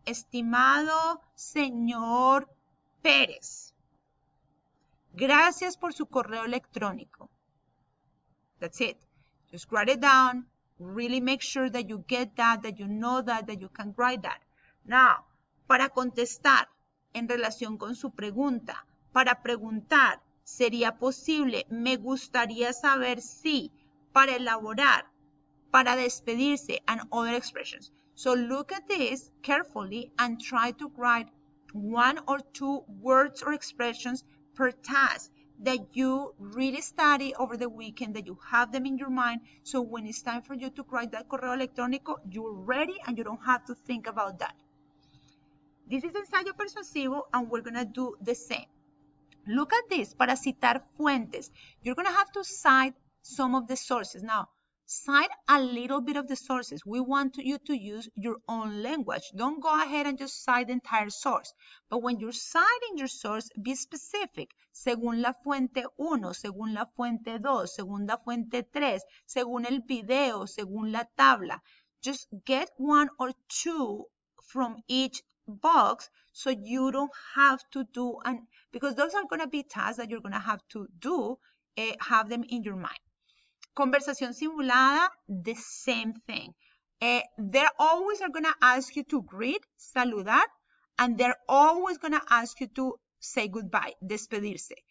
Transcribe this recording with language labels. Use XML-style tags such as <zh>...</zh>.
<es>Estimado señor Pérez, gracias por su correo electrónico.</es> <en>That's it. Just write it down. Really make sure that you get that you know that you can write that.</en> <es>Now, para contestar en relación con su pregunta, para preguntar, sería posible, me gustaría saber si, para elaborar, para despedirse,</es> <en>and other expressions. So look at this carefully and try to write one or two words or expressions per task that you really study over the weekend, that you have them in your mind, so when it's time for you to write that correo electrónico, you're ready and you don't have to think about that. This is ensayo persuasivo, and we're going to do the same. Look at this,</en> <es>para citar fuentes.</es> <en>You're going to have to cite some of the sources. Now, cite a little bit of the sources. We want you to use your own language. Don't go ahead and just cite the entire source. But when you're citing your source, be specific.</en> <es>Según la fuente 1, según la fuente 2, según la fuente 3, según el video, según la tabla.</es> <en>Just get one or two from each box, so you don't have to do, and because those are going to be tasks that you're going to have to do, have them in your mind. Conversación simulada, the same thing. They're always are going to ask you to greet, saludar, and they're always going to ask you to say goodbye, despedirse.</en>